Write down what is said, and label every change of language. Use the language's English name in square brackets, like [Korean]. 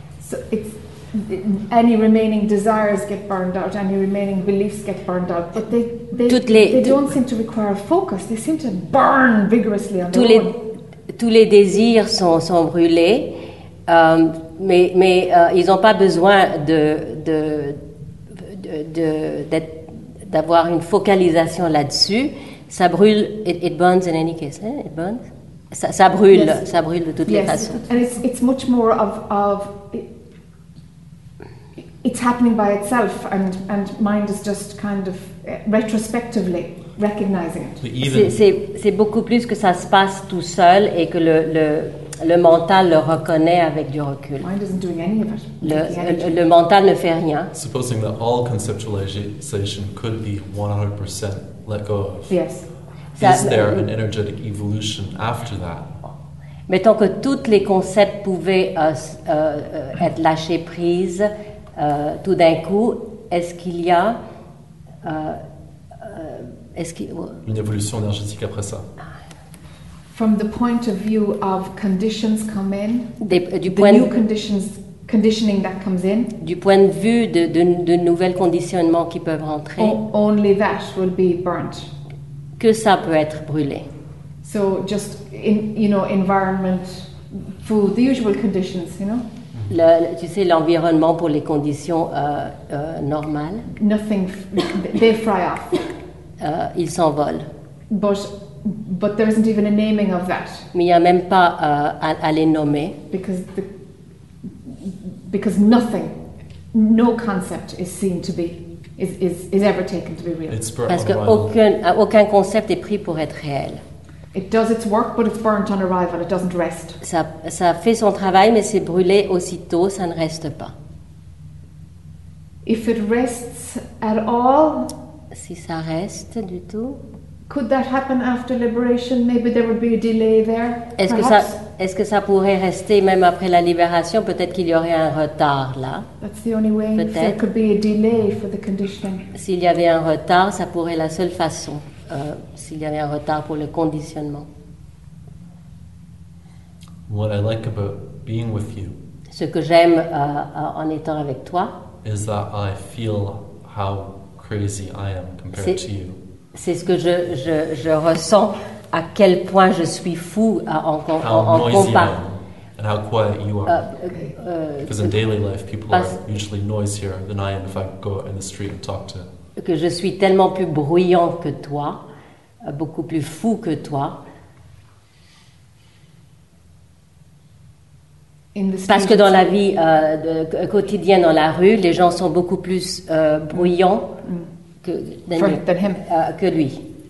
[English] So it's any remaining desires get burned out. Any remaining beliefs get burned out. But they don't seem to require focus. They seem to burn vigorously on their own. [French] Tous les désirs sont brûlés. Mais ils n'ont pas besoin d'avoir une focalisation là-dessus. Ça brûle. [English] It burns in any case. Eh? It burns. [French] Ça brûle. [English] Yes. [French] Ça brûle de toutes [English] yes. [French] les façons. [English] And it's much more of it's happening by itself, and mind is just kind of retrospectively recognizing it. [French] C'est beaucoup plus que ça se passe tout seul et que le mental le reconnaît avec du recul. [English] Mind isn't doing any of it. [French] Le mental ne fait rien. [English] Supposing that all conceptualization could be 100% let go of. Yes. Is there an energetic evolution after that? [French] Mettons que tous les concepts pouvaient être lâchés prise tout d'un coup, est-ce qu'il y a une évolution énergétique après ça? [English] From the point of view of conditions come in, conditioning that comes in. [French] Du point de vue de nouveaux conditionnements qui peuvent rentrer. [English] Only that will be burnt. [French] Que ça peut être brûlé. [English] So just in environment, food, the usual conditions, you know. [French] L'environnement pour les conditions normales. [English] Nothing, they fry off. [French] Ils s'envolent. [English] But there isn't even a naming of that. [French] Mais il n'y a même pas à les nommer. [English] Because nothing, no concept is seen to be, is ever taken to be real. [French] Parce qu'aucun concept est pris pour être réel. [English] It does its work, but it's burnt on arrival. It doesn't rest. [French] Ça fait son travail, mais c'est brûlé aussitôt. Ça ne reste pas. [English] If it rests at all. [French] Si ça reste du tout. [English] Could that happen after liberation? Maybe there would be a delay there. [French] Est-ce que ça pourrait rester même après la libération? Peut-être qu'il y aurait un retard là. [English] That's the only way. [French] Peut-être. [English] There could be a delay for the conditioning. [French] S'il y avait un retard, ça pourrait la seule façon. S'il y avait un retard pour le conditionnement. [English] What I like about being with you. [French] Ce que j'aime en étant avec toi. [English] Is that I feel how crazy I am compared to you. [French] C'est ce que je ressens à quel point je suis fou en [English] compas. And how quiet you are. Because in daily life, people are usually noisier than I am if I go in the street and talk to. [French] Que je suis tellement plus bruyant que toi, beaucoup plus fou que toi. Parce que dans la vie quotidienne, dans la rue, les gens sont beaucoup plus bruyants que lui.